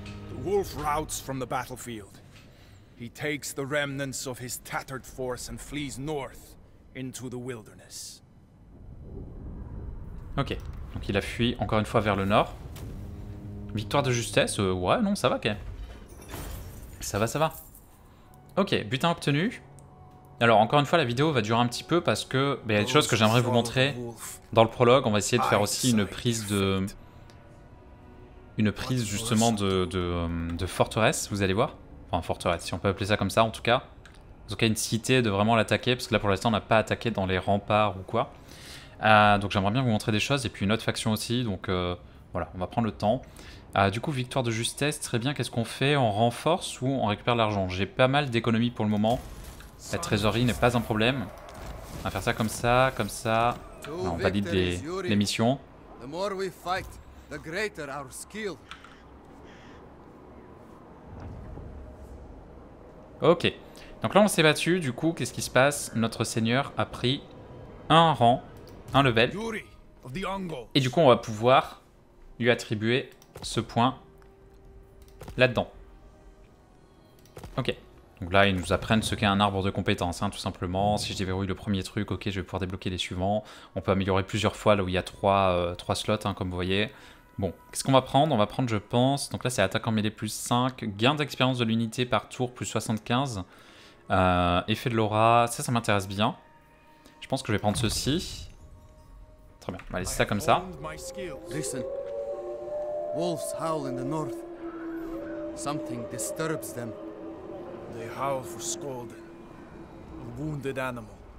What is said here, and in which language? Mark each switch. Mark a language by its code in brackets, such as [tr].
[en] The wolf routes from the battlefield. He takes the remnants of his tattered force and flees north into the wilderness. [fr] Ok, donc il a fui encore une fois vers le nord. Victoire de justesse, ouais, non, ça va, quand même. Ça va, ça va. Ok, butin obtenu. Alors, encore une fois, la vidéo va durer un petit peu parce que bah, il y a des choses que j'aimerais vous montrer dans le prologue. On va essayer de faire aussi une prise de... Une prise, justement, de forteresse, vous allez voir. Enfin, forteresse, si on peut appeler ça comme ça, en tout cas. En tout cas, une cité de vraiment l'attaquer, parce que là, pour l'instant, on n'a pas attaqué dans les remparts ou quoi. Donc, j'aimerais bien vous montrer des choses, et puis une autre faction aussi, donc voilà, on va prendre le temps. Du coup, victoire de justesse, très bien, qu'est-ce qu'on fait? On renforce ou on récupère l'argent? J'ai pas mal d'économies pour le moment. La trésorerie n'est pas un problème. On va faire ça comme ça, comme ça. Alors, on valide les missions. [en] The more we fight, the greater our skill. [fr] Ok, donc là on s'est battu, du coup qu'est-ce qui se passe? Notre seigneur a pris un rang, un level. Et du coup, on va pouvoir lui attribuer ce point là-dedans. Ok. Donc là, ils nous apprennent ce qu'est un arbre de compétences, hein, tout simplement. Si je déverrouille le premier truc, ok, je vais pouvoir débloquer les suivants. On peut améliorer plusieurs fois là où il y a trois slots, hein, comme vous voyez. Bon, qu'est-ce qu'on va prendre? On va prendre, je pense, donc là, c'est attaque en mêlée plus 5, gain d'expérience de l'unité par tour plus 75, effet de l'aura, ça m'intéresse bien. Je pense que je vais prendre ceci. Très bien, on va laisser ça comme ça. [en] Listen, wolves howl in the north. Something disturbs them. They howl for Skolden, a wounded animal.